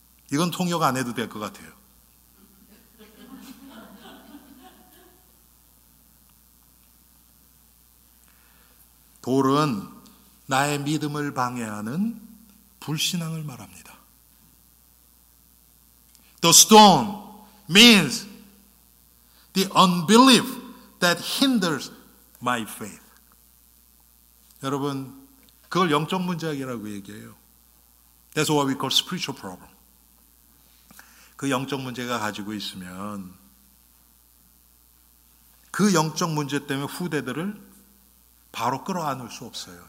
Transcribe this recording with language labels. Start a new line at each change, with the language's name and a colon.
Korean: 이건 통역 안 해도 될 것 같아요. 돌은 나의 믿음을 방해하는 불신앙을 말합니다.
English: The stone means the unbelief that hinders my faith.
Korean: 여러분, 그걸 영적 문제학이라고 얘기해요.
English: That's what we call spiritual problem.
Korean: 그 영적 문제가 가지고 있으면 그 영적 문제 때문에 후대들을 바로 끌어안을 수 없어요.